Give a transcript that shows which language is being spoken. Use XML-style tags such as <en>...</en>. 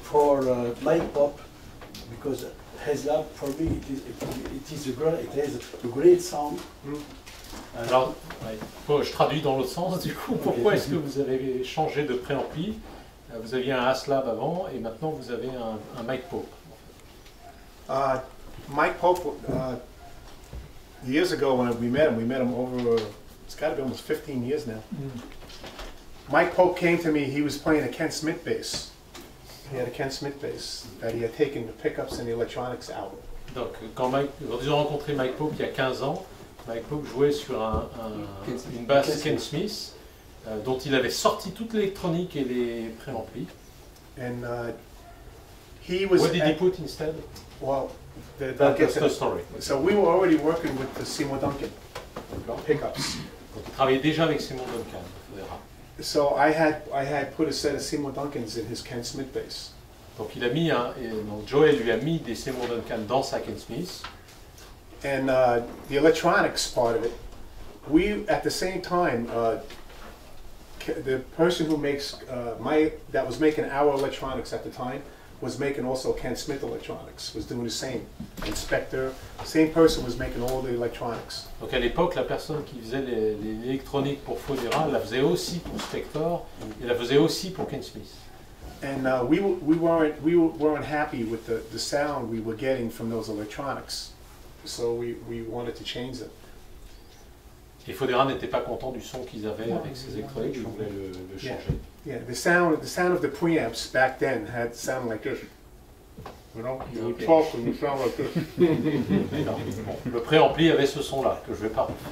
<en>For light pop, because Heslab, for me, it has a great sound.</en> <fr>Alors, je traduis dans l'autre sens, du coup, pourquoi est-ce que vous avez changé de préampli? Vous aviez un Aslab avant et maintenant vous avez un Mike Pope.</fr> <en>Mike Pope, years ago when we met him over, it's got to be almost 15 years now. Mike Pope came to me, he was playing a Kent Smith bass. He had a Kent Smith bass that he had taken the pickups and the electronics out.</en> <fr>Donc, quand j'ai rencontré Mike Pope il y a 15 ans, Mike Pope jouait sur une basse Kent Smith, dont il avait sorti toute l'électronique et les préamplis.</fr> <en>And he was. What did he put instead? Well, that's the story. So we were already working with the Seymour Duncan pickups.</en> <fr>Donc il travaillait déjà avec Seymour Duncan.</fr> <en>So I had put a set of Seymour Duncans in his Kent Smith bass.</en> <fr>Donc il a mis Joel lui a mis des Seymour Duncan dans sa Kent Smith.</fr> <en>And the electronics part of it, we at the same time, the person who makes that was making our electronics at the time was making also Kent Smith electronics, was doing the same. Inspector, same person was making all the electronics.</en> <fr>Donc à l'époque, la personne qui faisait les électroniques pour Fodera la faisait aussi pour Spector et la faisait aussi pour Kent Smith.</fr> <en>And we weren't happy with the sound we were getting from those electronics. So we wanted to change it.</en> <fr>Et Fodera n'était pas content du son qu'ils avaient avec ses électroniques, ils voulaient le changer.</fr> <en>Yeah, the sound of the preamps back then had sound like this. You know, you talk and you sound like this.</en> <fr>Le préampli avait ce son-là que je vais pas</fr>